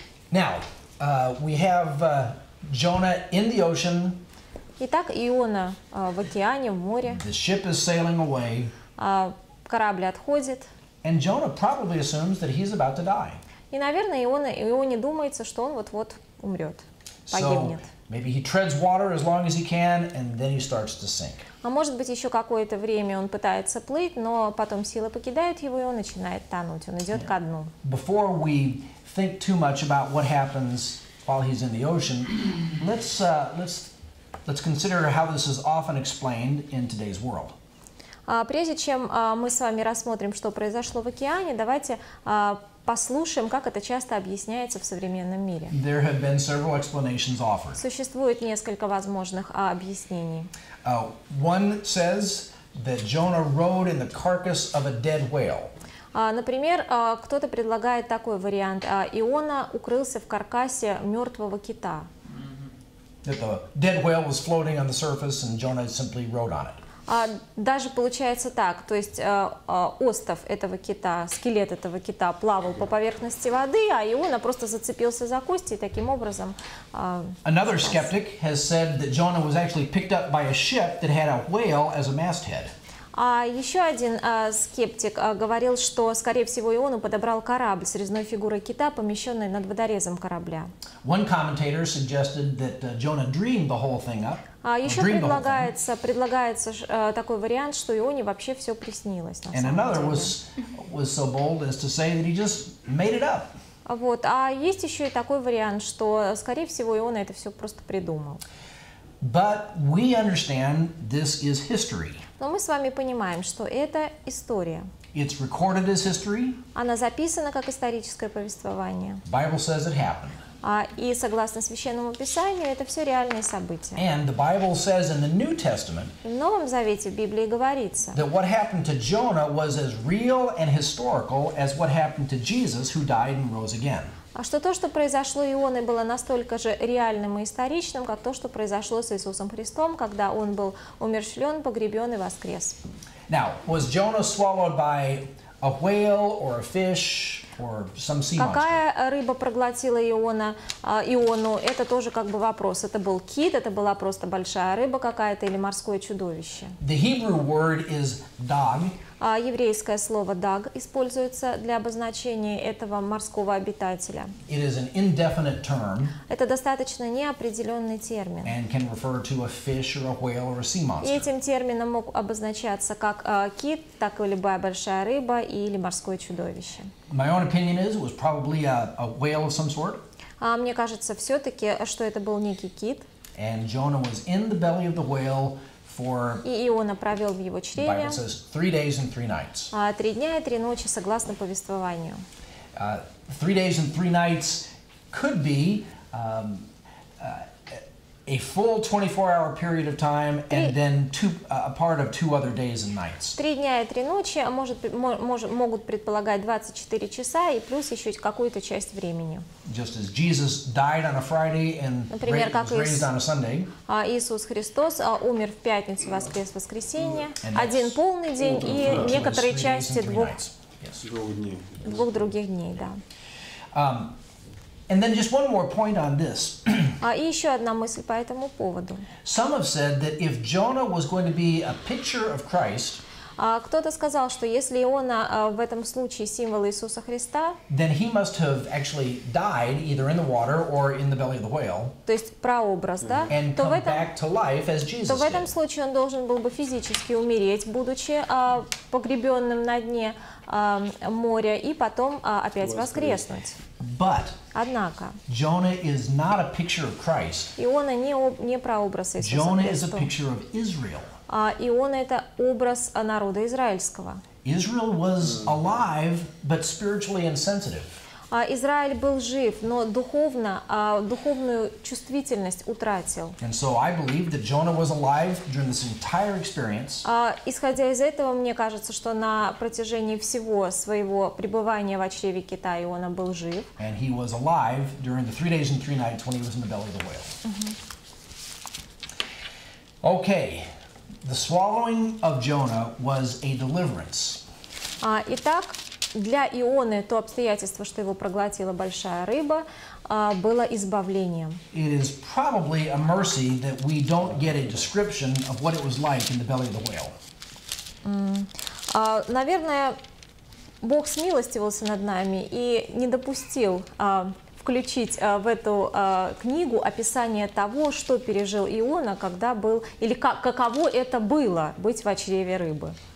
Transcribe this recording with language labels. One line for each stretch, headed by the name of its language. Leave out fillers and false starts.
English: Now, we have Jonah in the ocean.
Russian: Итак, Иона в океане, в море.
English: The ship is sailing away.
Russian: Корабль отходит.
English: And Jonah probably assumes that he's about to die.
Russian: И, наверное, Ионе думается, что он вот-вот умрет, погибнет.
English: So maybe he treads water as long as he can, and then he starts to sink.
Russian: А может быть, еще какое-то время он пытается плыть, но потом силы покидают его, и он начинает тонуть, он идет ко дну.
English: Before we think too much about what happens while he's in the ocean, let's consider how this is often explained in today's world.
Russian: Прежде чем мы с вами рассмотрим, что произошло в океане, давайте послушаем, как это часто объясняется в современном мире.
English: There have been several explanations offered.
Russian: Существует несколько возможных объяснений.
English: One says that Jonah rode in the carcass of a dead whale.
Russian: Например, кто-то предлагает такой вариант. Иона укрылся в каркасе мертвого кита.
English: That the dead whale was floating on the surface and Jonah simply rode on it.
Russian: Даже получается так, то есть остов этого кита, скелет этого кита плавал по поверхности воды, а Иона просто зацепился за кости и таким образом...
English: Another skeptic has said that Jonah was actually picked up by a ship that had a whale as a masthead.
Russian: Еще один скептик говорил, что, скорее всего, Иону подобрал корабль с резной фигурой кита, помещенной над водорезом корабля.
English: One commentator suggested that Jonah dreamed the whole thing up.
Russian: Еще предлагается такой вариант, что Ионе вообще все приснилось.
English: And another was so bold as to say that he just made it up.
Russian: Вот. А есть еще и такой вариант, что, скорее всего, Иона это все просто придумал.
English: But we understand this is history.
Russian: Но мы с вами понимаем, что это история.
English: It's recorded as history.
Russian: Она записана как историческое повествование.
English: Bible says it happened.
Russian: И согласно Священному Писанию, это все реальные события.
English: And the Bible says in the New Testament,
Russian: в Новом Завете в Библии говорится,
English: that what happened to Jonah was as real and historical as what happened to Jesus, who died and rose again.
Russian: А что то, что произошло с Ионой, было настолько же реальным и историчным, как то, что произошло с Иисусом Христом, когда он был умерщвлен, погребен и воскрес.
English: Now, was Jonah swallowed by a whale or a fish or some sea monster?
Russian: Какая рыба проглотила Иону? Это тоже как бы вопрос. Это был кит, это была просто большая рыба какая-то или морское чудовище?
English: The Hebrew word is dog.
Russian: Еврейское слово «даг» используется для обозначения этого морского обитателя.
English: It is an indefinite term.
Russian: Это достаточно неопределенный термин.
English: And can refer to a fish or a whale or a sea monster.
Russian: И этим термином мог обозначаться как кит, так и любая большая рыба или морское чудовище.
English: My own opinion is it was probably a whale of some sort.
Russian: Мне кажется, все-таки, что это был некий кит.
English: And Jonah was in the belly of the whale.
Russian: И Иона провел в его чреве.
English: Bible says 3 days and 3 nights.
Russian: 3 дня и 3 ночи, согласно повествованию.
English: 3 days and 3 nights could be a full 24-hour period of time, and then a part of 2 other days and nights.
Russian: 3 дня и 3 ночи могут предполагать 24 часа и плюс еще какую-то часть времени.
English: Just as Jesus died on a Friday and raised on a Sunday.
Russian: Иисус Христос умер в пятницу, воскрес в воскресенье. Один полный день и некоторые части двух других дней, да.
English: And then just one more point on this.
Russian: И еще одна мысль по этому поводу.
English: Some have said that if Jonah was going to be a picture of Christ,
Russian: кто-то сказал, что если Иона в этом случае символ Иисуса Христа,
English: then he must have actually died either in the water or in the belly of the whale.
Russian: То есть прообраз, да?
English: And come back to life as Jesus.
Russian: То в этом случае он должен был бы физически умереть, будучи погребенным на дне моря, и потом опять воскреснуть.
English: But
Russian: однако,
English: Jonah is not a picture of Christ.
Russian: Иона не прообраз Иисуса Христа.
English: Jonah is a picture of Israel.
Russian: Иона это образ народа израильского.
English: Israel was alive, but spiritually insensitive.
Russian: Израиль был жив, но духовную чувствительность утратил.
English: And so I believe that Jonah was alive during this entire experience.
Russian: Исходя из этого, мне кажется, что на протяжении всего своего пребывания в чреве кита Иона был жив.
English: And he was alive during the 3 days and 3 nights when he was in the belly of the whale. Okay, the swallowing of Jonah was a deliverance.
Russian: Итак, для Ионы то обстоятельство, что его проглотила большая рыба, было избавлением.
English: It is probably a mercy that we don't get a description of what it was like in the belly of the whale.
Russian: Наверное, Бог смилостивился над нами и не допустил включить в эту книгу описание того, что пережил Иона, когда был, или каково это было быть в чреве рыбы.